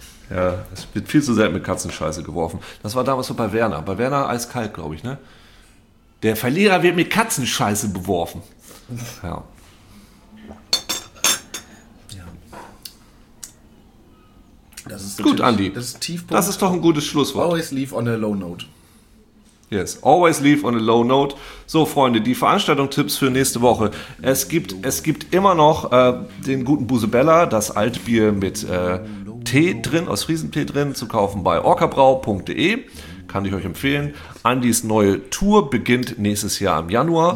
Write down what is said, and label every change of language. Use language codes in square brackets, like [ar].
[de] Ja, es wird viel zu selten mit Katzenscheiße geworfen. Das war damals so bei Werner. Bei Werner eiskalt, glaube ich, ne? Der Verlierer wird mit Katzenscheiße beworfen. Ja. Ja. Das ist gut, Andi. Das ist Tiefpunkt. Das ist doch ein gutes Schlusswort. [en] Always leave on a low note. Yes, always leave on a low note. [de] So, Freunde, die Veranstaltungstipps für nächste Woche. Es gibt immer noch den guten Busebella, das Altbier mit Tee drin, aus Friesentee drin, zu kaufen bei orcabrau.de. Kann ich euch empfehlen. Andis neue Tour beginnt nächstes Jahr im Januar.